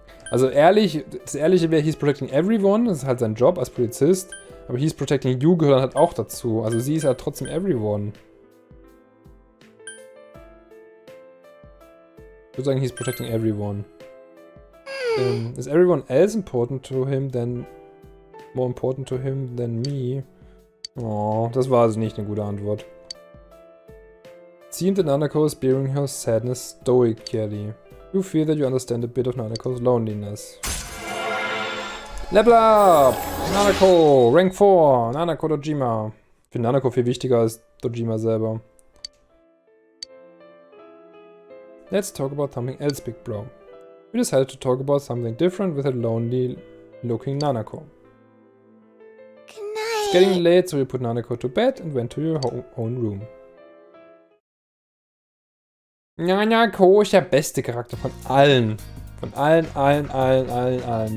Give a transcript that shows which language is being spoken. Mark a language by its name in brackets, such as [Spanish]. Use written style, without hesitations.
[German] Also ehrlich, das Ehrliche wäre, [English] he's protecting everyone, [German] das ist halt sein Job als Polizist, aber [English] he's protecting you [German] gehört halt auch dazu, also sie ist halt trotzdem everyone. Ich würde sagen, [English] he's protecting everyone. Is everyone else important to him than, more important to him than me? [German] Oh, das war also nicht eine gute Antwort. [English] Seemed Nanako is bearing her sadness stoically. You feel that you understand a bit of Nanako's loneliness. Level up! Nanako! Rank 4! Nanako Dojima. [German] Ich finde Nanako viel wichtiger als Dojima selber. [English] Let's talk about something else, big bro. We decided to talk about something different with a lonely looking Nanako. Goodnight. It's getting late, so you put Nanako to bed and went to your own room. [German] Nanako ist der beste Charakter von allen. Von allen, allen, allen, allen, allen.